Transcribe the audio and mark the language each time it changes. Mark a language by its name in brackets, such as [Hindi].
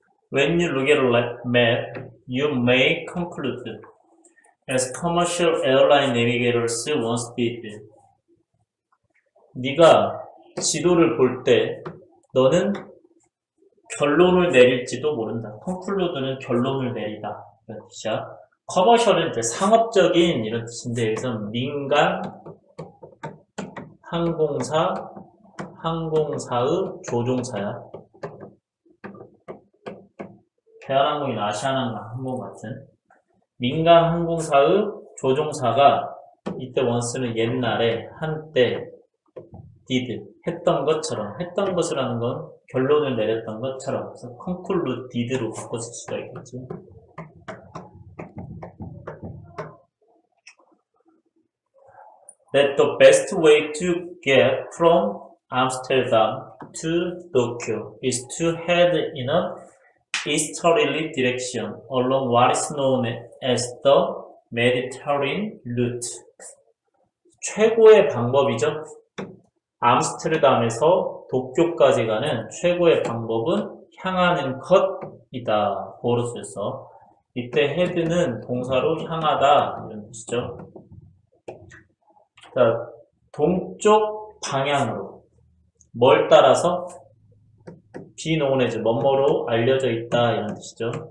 [English] When you look at a map, you may conclude, as commercial airline navigators once did. [Korean] 네가 지도를 볼 때 너는 결론을 내릴지도 모른다. conclude는 결론을 내리다. 이런 뜻이야. commercial은 이제 상업적인 이런 뜻인데, 여기서 민간, 항공사, 항공사의 조종사야. 대한항공이나 아시아나항공 항공 같은 민간 항공사의 조종사가 이때 원스는 옛날에 한때 did 했던 것처럼 했던 것이라는 건 결론을 내렸던 것처럼 그래서 concluded로 바꿨을 수가 있겠지. [English] 그래서 the best way to get from Amsterdam to Tokyo is to head in a easterly direction along what is known as the Mediterranean route. [Korean] 최고의 방법이죠. 암스테르담에서 도쿄까지 가는 최고의 방법은 향하는 것이다. 보르스에서 이때 헤드는 동사로 향하다 이런 뜻이죠. 자, 동쪽 방향으로 뭘 따라서 be known as 뭐뭐로 알려져 있다 이런 뜻이죠.